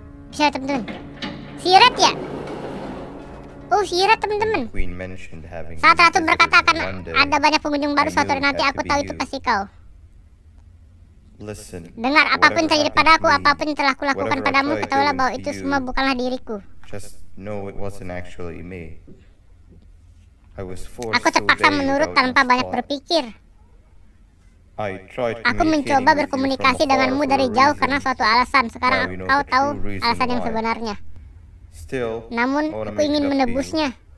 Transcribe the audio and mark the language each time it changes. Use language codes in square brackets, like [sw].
[id] Bisa temen-temen. Sirat ya? Oh, sirat temen-temen. Saat ratu berkata akan ada banyak pengunjung baru suatu hari nanti, aku tahu itu pasti kau. [en] Listen, [id] dengar, apapun yang terjadi padaku, apapun yang telah kulakukan padamu, ketahuilah bahwa itu semua bukanlah diriku. [en] Just know it wasn't actually me. I was forced. [id] Aku terpaksa menurut tanpa banyak berpikir. Aku mencoba berkomunikasi denganmu dari jauh karena suatu alasan. Sekarang kau tahu alasan yang sebenarnya. [en] Still, [id] namun, aku ingin menebusnya.